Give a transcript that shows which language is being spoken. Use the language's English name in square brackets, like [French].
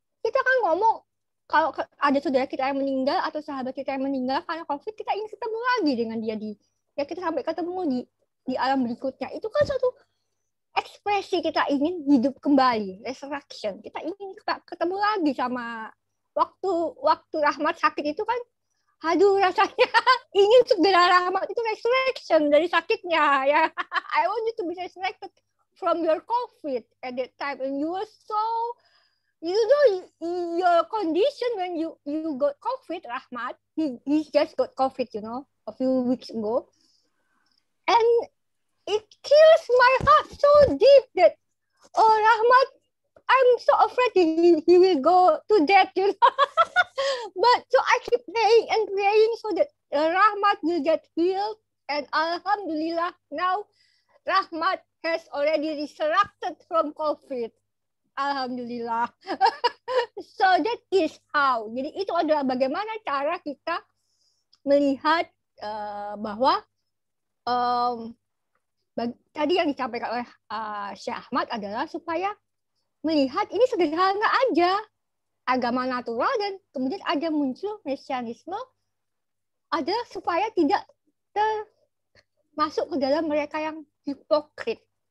[Indonesian] Kita kan ngomong, kalau ada saudara kita yang meninggal atau sahabat kita yang meninggal karena COVID, kita ingin ketemu lagi dengan dia di, ya kita sampai ketemu di alam berikutnya. Itu kan suatu ekspresi kita ingin hidup kembali, resurrection. Kita ingin ketemu lagi sama waktu rahmat sakit itu kan, aduh rasanya ingin segera rahmat itu resurrection dari sakitnya ya. [English] I want you to be resurrected from your COVID at that time, and you were so, you know, your condition when you got COVID, rahmat, he just got COVID, you know, a few weeks ago, and it kills my heart so deep that, oh rahmat, I'm so afraid he will go to death, you know. But so I keep praying and praying so that rahmat will get healed, and alhamdulillah now rahmat has already resurrected from COVID. Alhamdulillah. So that is how. [Indonesian] Jadi itu adalah bagaimana cara kita melihat bahwa tadi yang disampaikan oleh Syekh Ahmad adalah supaya melihat ini sederhana aja, agama natural, dan kemudian ada muncul mesianisme adalah supaya tidak termasuk ke dalam mereka yang hipokrit.